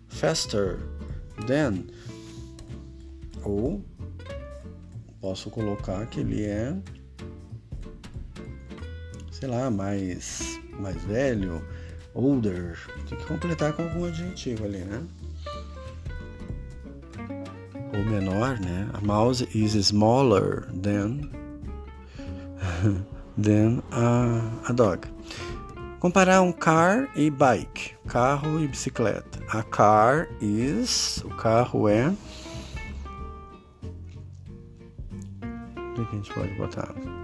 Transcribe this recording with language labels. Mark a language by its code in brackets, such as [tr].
[en] Faster than. [pt] Ou posso colocar que ele é, sei lá, mais velho, older. Tem que completar com algum adjetivo ali, né? Ou menor, né? [en] A mouse is smaller than a dog. [pt] Comparar um car e bike, carro e bicicleta. [en] A car is, [pt] o carro é, o que a gente pode botar?